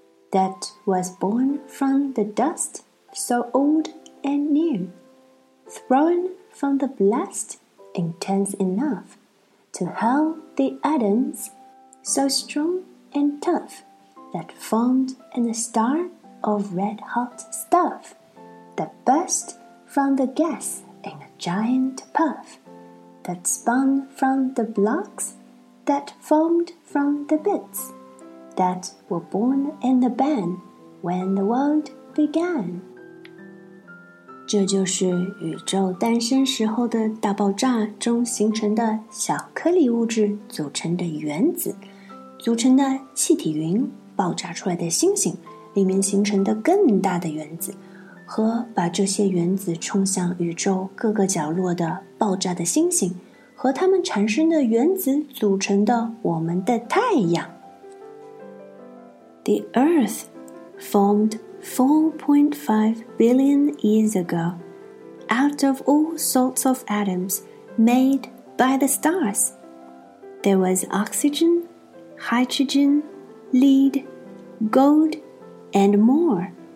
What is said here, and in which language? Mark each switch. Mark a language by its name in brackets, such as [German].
[English] That was born from the dust, so old and new, thrown from the blast, intense enough to hurl the atoms, so strong and tough, that formed in a star of red-hot stuff, that burst from the gas in a giant puff, that spun from the blocks, that formed from the bits. That were born in the ban when the world began. [Chinese] 这就是宇宙诞生时候的大爆炸中形成的小颗粒物质组成的原子，组成的气体云，爆炸出来的星星，里面形成的更大的原子，和把这些原子冲向宇宙各个角落的爆炸的星星，和它们产生的原子组成的我们的太阳。 [English] The Earth formed 4.5 billion years ago out of all sorts of atoms made by the stars. There was oxygen, hydrogen, lead, gold, and more.